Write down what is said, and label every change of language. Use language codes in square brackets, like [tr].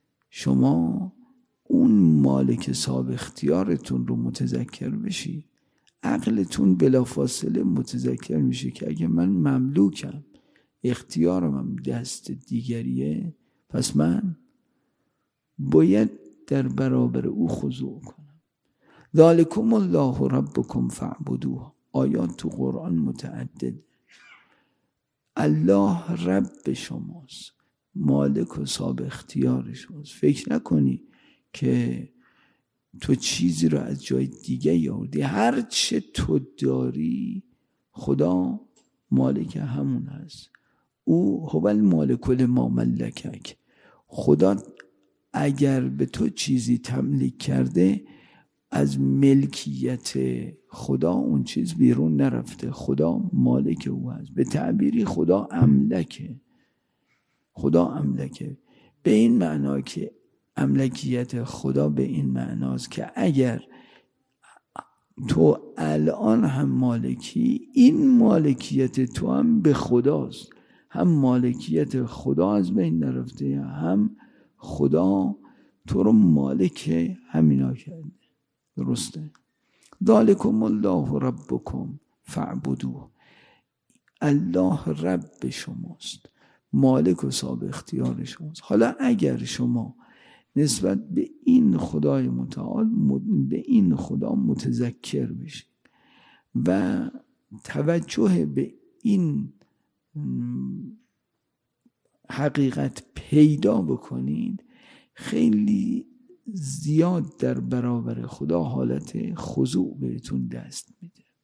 [fa] شما اون مالک صاحب اختیارتون رو متذکر بشید، عقلتون بلافاصله متذکر میشه که اگه من مملوکم، اختیارم هم دست دیگریه، پس من باید در برابر او خضوع کنم. [ar] ذالکم الله ربکم فاعبدوه. [fa] آیات تو قرآن متعدد. الله رب شماست، مالک و صاحب اختیار شماست. فکر نکنی که تو چیزی رو از جای دیگه یاردی، هر چه تو داری خدا مالک همون است. [ar] او هو المالک ما ملکک. [fa] خدا اگر به تو چیزی تملیک کرده، از ملکیت خدا اون چیز بیرون نرفته، خدا مالک او است. به تعبیری خدا املکه، خدا املکه. به این معنا که املکیت خدا به این معناست که اگر تو الان هم مالکی، این مالکیت تو هم به خداست، هم مالکیت خدا از بین نرفته، هم خدا تو رو مالک همینا کرده. درسته. [ar] ذالکم الله ربکم فاعبدوه. [fa] الله رب شماست، مالک و صاحب اختیار شماست. حالا اگر شما نسبت به این خدای متعال، به این خدا متذکر بشید و توجه به این حقیقت پیدا بکنید، خیلی زیاد در برابر خدا حالت خضوع بهتون دست میده.